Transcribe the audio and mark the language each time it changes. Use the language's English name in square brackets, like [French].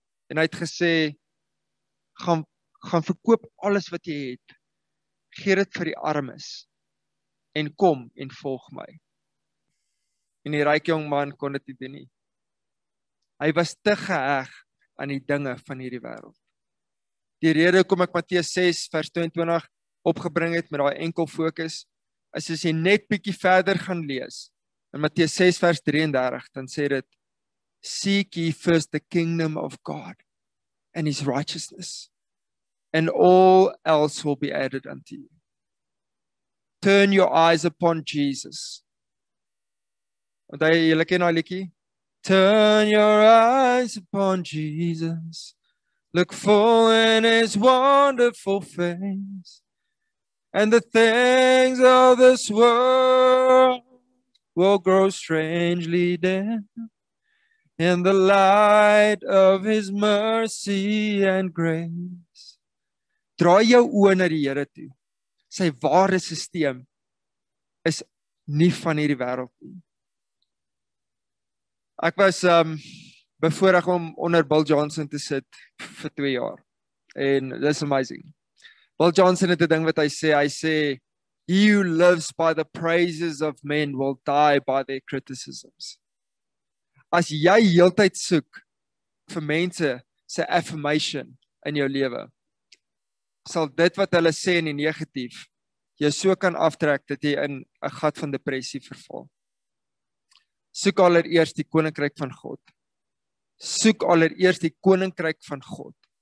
[Afrikaans] En hy het gesê, gaan verkoop alles wat jy het. Geer dit vir die armes. En kom en volg my. En die ryk jong man kon dit nie doen nie. Hy was te geheg aan die dinge van hierdie wêreld. Die rede kom ek Matteus 6 vers 22 opgebring het met daai enkel fokus. As jy net bietjie verder gaan lees, in Matteus 6 vers 33, dan sê dit, [English] seek ye first the kingdom of God and his righteousness, and all else will be added unto you. Turn your eyes upon Jesus. [Afrikaans] Want jy ken daai liedjie? [English] Turn your eyes upon Jesus. Look full in his wonderful face. And the things of this world will grow strangely dim in the light of his mercy and grace. [Afrikaans] Draai jou oë na die Here toe. Sy ware sisteem is nie van hierdie wêreld nie. Ek was bevoorreg om onder Bill Johnson te sit vir 2 jaar. En dis amazing. Bill Johnson het 'n ding wat hy sê, [English] he who lives by the praises of men will die by their criticisms. [Afrikaans] As jy heeltyd soek vir mense se affirmation in jou lewe, sal dit wat hulle sê in die negatief, jy so kan aftrek dat jy in 'n gat van depressie verval. Soek allereers die koninkryk van God. Soek allereers die koninkryk van God.